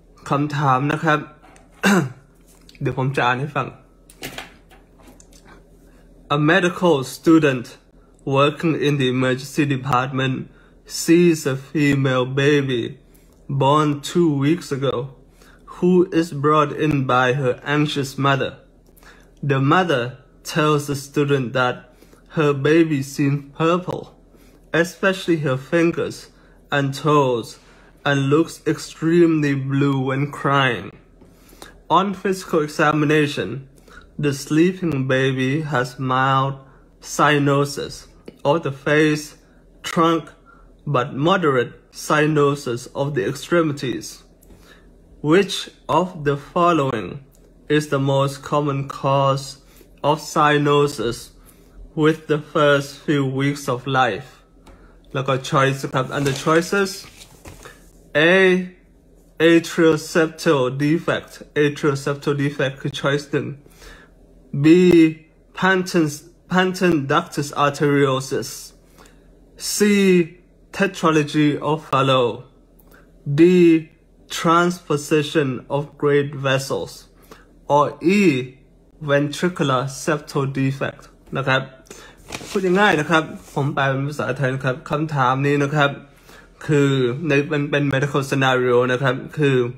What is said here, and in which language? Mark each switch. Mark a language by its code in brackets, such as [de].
[th] คำถามนะครับ เดี๋ยวผมจะอ่านให้ฟัง [en] A medical student working in the emergency department sees a female baby born 2 weeks ago who is brought in by her anxious mother. The mother tells the student that her baby seems purple, especially her fingersand toes, and looks extremely blue when crying. On physical examination, the sleeping baby has mild cyanosis of the face, trunk, but moderate cyanosis of the extremities. Which of the following is the most common cause of cyanosis with the first few weeks of life? [th] แล้วก็ [en] choice ครับ and the choices A atrial septal defect atrial septal defect คือ choice 1 B Pantin ductus arteriosus C tetralogy of Fallot D transposition of great vessels or E ventricular septal defect [th] นะครับพูดง่ายๆนะครับผมแปลเป็นภาษาไทยนะครับคำถามนี้นะครับคือในเป็น [en] medical scenario [th] นะครับคือ